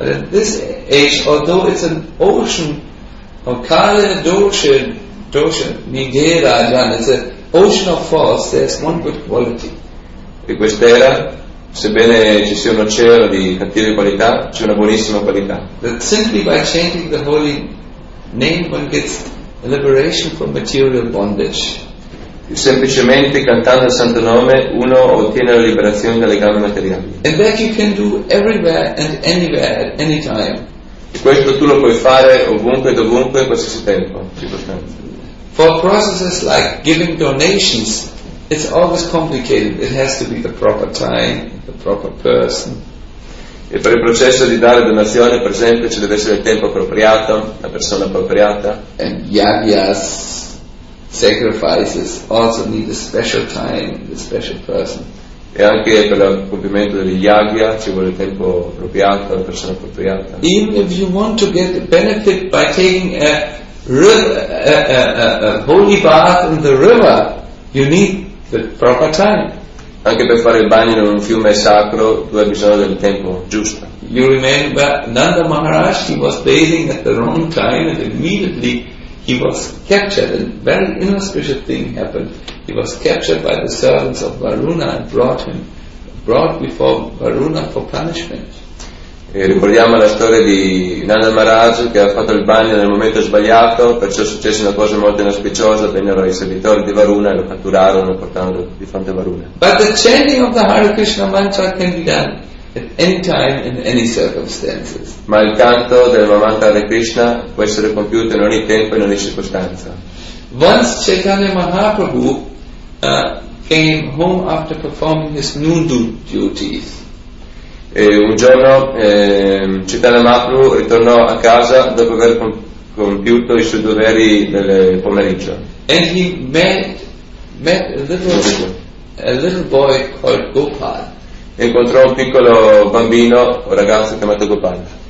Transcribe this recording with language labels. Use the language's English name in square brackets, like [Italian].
[English] This age, although it's an ocean, Kale Dolce, Dolce, Nigera, it's an ocean of force, there's one good quality. [Italian] E quest'era, sebbene ci sia un oceano di cattive qualità, c'è una buonissima qualità. [English] That simply by chanting the holy name one gets liberation from material bondage. [Italian] Semplicemente cantando il Santo Nome uno ottiene la liberazione dalle gambe materiali. [English] And that you can do everywhere and anywhere at any time. [Italian] E questo tu lo puoi fare ovunque e dovunque in qualsiasi tempo. [English] For processes like giving donations, it's always complicated. It has to be the proper time, the proper person. [Italian] E per il processo di dare donazione, per esempio, ci deve essere il tempo appropriato, la persona appropriata. [English] And yavyas, sacrifices, also need a special time, a special person. [Italian] E anche per il compimento degli yagya ci vuole il tempo appropriato, la persona appropriata. [English] Even if you want to get the benefit by taking a holy bath in the river, you need the proper time. [Italian] Anche per fare il bagno in un fiume sacro tu hai bisogno del tempo giusto. [English] You remember Nanda Maharaj, he was bathing at the wrong time and immediately he was captured. A very inauspicious thing happened. He was captured by the servants of Varuna and brought before Varuna for punishment. [Italian] E ricordiamo la storia di Nanda Maharaj che ha fatto il bagno nel momento sbagliato, perciò successe una cosa molto inauspiciosa, vennero i servitori di Varuna e lo catturarono portandolo di fronte a Varuna. [English] But the chanting of the Hare Krishna mantra can be done at any time in any circumstances. [Italian] Ma il canto del mantra Hare Krishna può essere compiuto in ogni tempo e in ogni circostanza. [English] Once Chaitanya Mahaprabhu came home after performing his noondu duties. [Italian] E un giorno Chaitanya Mahaprabhu ritornò a casa dopo aver compiuto i suoi doveri del pomeriggio. [English] And he met a little boy called Gopal. [Italian] Incontrò un piccolo bambino, un ragazzo chiamato Gopal.